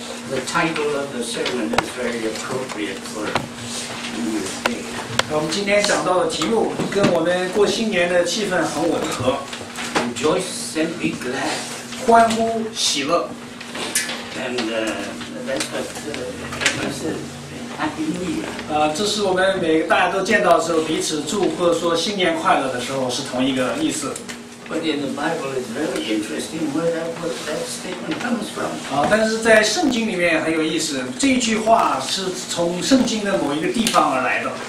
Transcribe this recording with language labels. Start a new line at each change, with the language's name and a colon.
English: The title of the sermon is very appropriate for New Year's Day.
Chinese: 我们今天讲到的题目跟我们过新年的气氛很吻合。
English: Rejoice and be glad.
Chinese: 欢呼喜乐。
English: And that's what I said. Happy New Year.
Chinese: 这是我们每个大家都见到的时候彼此祝贺说新年快乐的时候是同一个意思。
English: But in the Bible, it's very interesting where that statement comes from.
Chinese: 但是在圣经里面很有意思，这句话是从圣经的某一个地方而来的。